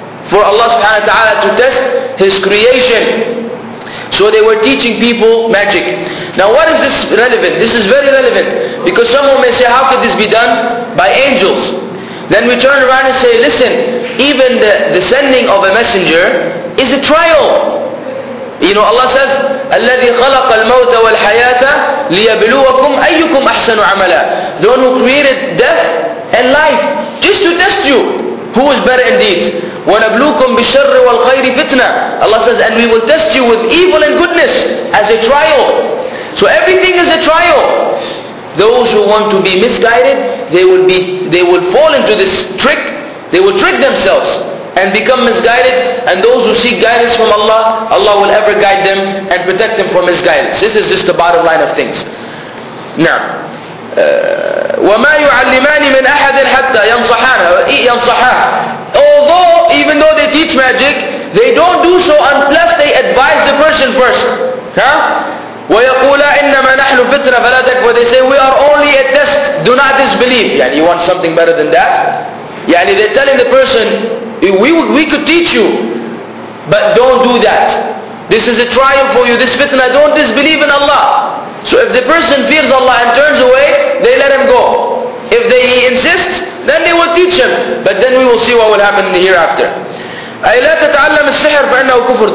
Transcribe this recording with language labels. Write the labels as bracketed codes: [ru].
[en] For Allah subhanahu wa ta'ala to test His creation. So they were teaching people magic. Now what is this relevant? This is very relevant. Because someone may say, how could this be done? By angels. Then we turn around and say, listen, even the sending of a messenger is a trial. You know, Allah says, [ar] الَّذِي خَلَقَ الْمَوْتَ وَالْحَيَاةَ لِيَبْلُوَكُمْ أَيُّكُمْ أَحْسَنُ عَمَلًا. [en] The one who created death and life, just to test you, who is better indeed. [ar] وَنَبْلُوكُمْ بِالشَّرِّ وَالْخَيْرِ فِتْنَةً. [en] Allah says, and we will test you with evil and goodness as a trial. So everything is a trial. Those who want to be misguided, they will fall into this trick. They will trick themselves and become misguided. And those who seek guidance from Allah, Allah will ever guide them and protect them from misguidance. This is just the bottom line of things. Now, [ar] وما يعلمان من أحد حتى ينصحانه ينصحاه. [en] Although even though they teach magic, they don't do so unless they advise the person first. [ar] ويقولا إنما نحن فتنة فلا تكفر. [en] They say we are only a test. Do not disbelieve. [ar] يعني [en] you want something better than that. [ar] يعني [en] they're telling the person we could teach you, but don't do that. This is a trial for you. This fitna. Don't disbelieve in Allah. So if the person fears Allah and turns away, they let him go. If they insist, then they will teach him. But then we will see what will happen in the hereafter. [ar] أي لا تتعلم السحر فإنه كفر.